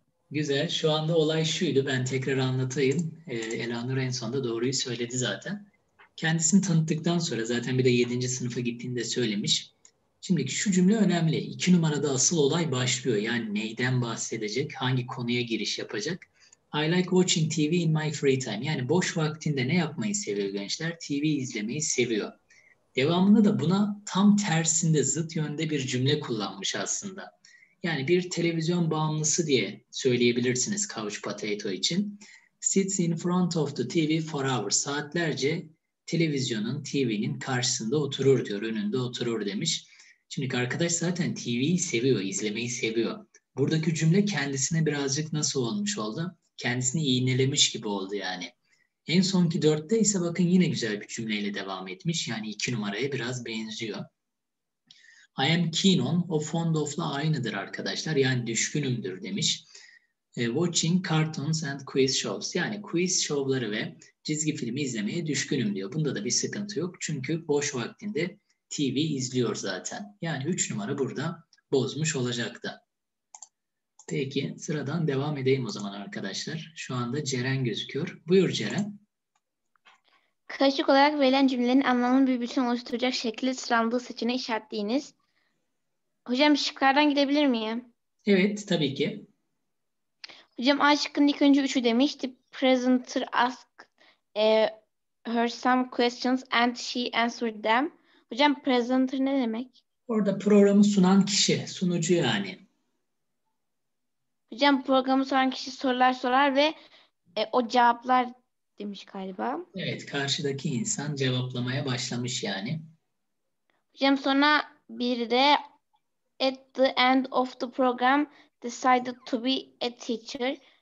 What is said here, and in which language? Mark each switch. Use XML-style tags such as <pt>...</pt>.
<tr>Güzel. Şu anda olay şuydu. Ben tekrar anlatayım. Elanur en sonunda doğruyu söyledi zaten. Kendisini tanıttıktan sonra zaten bir de 7. sınıfa gittiğinde söylemiş. Şimdi şu cümle önemli. 2 numarada asıl olay başlıyor. Yani neyden bahsedecek? Hangi konuya giriş yapacak?</tr> <en>I like watching TV in my free time.</en> <tr>Yani boş vaktinde ne yapmayı seviyor gençler? TV izlemeyi seviyor. Devamında da buna tam tersinde, zıt yönde bir cümle kullanmış aslında. Yani bir televizyon bağımlısı diye söyleyebilirsiniz couch potato için.</tr> <en>Sits in front of the TV for hours.</en> <tr>Saatlerce televizyonun, TV'nin karşısında oturur diyor, önünde oturur demiş. Şimdi arkadaş zaten TV'yi seviyor, izlemeyi seviyor. Buradaki cümle kendisine birazcık nasıl olmuş oldu? Kendisini iğnelemiş gibi oldu yani. En sonki dörtte ise bakın yine güzel bir cümleyle devam etmiş. Yani iki numaraya biraz benziyor. I am keen on, o fond of'la aynıdır arkadaşlar. Yani düşkünümdür demiş.</tr> <en>Watching cartoons and quiz shows.</en> <tr>Yani quiz şovları ve çizgi filmi izlemeye düşkünüm diyor. Bunda da bir sıkıntı yok. Çünkü boş vaktinde TV izliyor zaten. Yani 3 numara burada bozmuş olacak da. Peki sıradan devam edeyim o zaman arkadaşlar. Şu anda Ceren gözüküyor. Buyur Ceren. Karışık olarak verilen cümlenin anlamını bir bütün oluşturacak şekilde sıralandığı seçeneği işaretleyiniz. Hocam şıklardan gidebilir miyim? Evet tabii ki. Hocam A şıkkının ilk önce 3'ü demişti.</tr> <en>Presenter asked her some questions and she answered them.</en> <tr>Hocam presenter ne demek? Orada programı sunan kişi, sunucu yani. Hocam programı soran kişi sorular sorar ve o cevaplar demiş galiba. Evet, karşıdaki insan cevaplamaya başlamış yani.</tr> <en>Hocam sonra bir de at the end of the program decided to be a teacher.</en>